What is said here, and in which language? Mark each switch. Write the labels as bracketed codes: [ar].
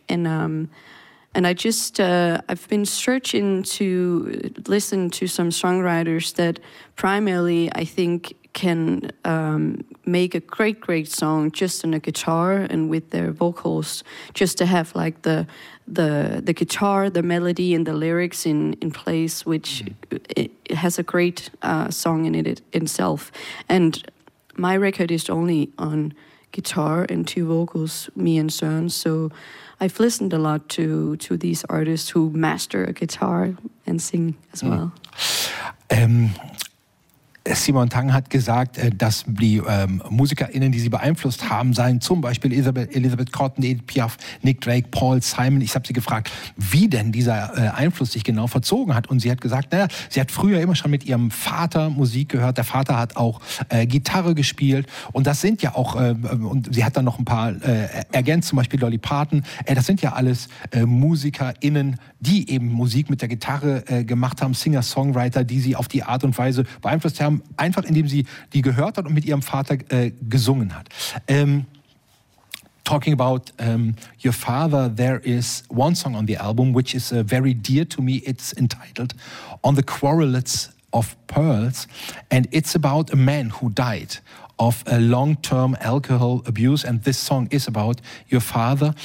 [en] And I just, I've been searching to listen to some songwriters that primarily I think can make a great, great song just on a guitar and with their vocals, just to have like the guitar, the melody and the lyrics in place, which it has a great song in it itself. And my record is only on guitar and two vocals, me and Søren. So I've listened a lot to these artists who master a guitar and sing as well. [de] Simon Tang hat gesagt, dass die MusikerInnen, die sie beeinflusst haben, seien zum Beispiel Elizabeth Cotton, Edith Piaf, Nick Drake, Paul Simon. Ich habe sie gefragt, wie denn dieser Einfluss sich genau verzogen hat. Und sie hat gesagt, naja, sie hat früher immer schon mit ihrem Vater Musik gehört. Der Vater hat auch Gitarre gespielt. Und das sind ja auch, und sie hat dann noch ein paar ergänzt, zum Beispiel Dolly Parton. Das sind ja alles MusikerInnen, die eben Musik mit der Gitarre gemacht haben, Singer-Songwriter, die sie auf die Art und Weise beeinflusst haben, einfach indem sie die gehört hat und mit ihrem Vater gesungen hat. [en] Talking about your father, there is one song on the album which is very dear to me. It's entitled On the Quarrelets of Pearls, and it's about a man who died of a long-term alcohol abuse, and this song is about your father.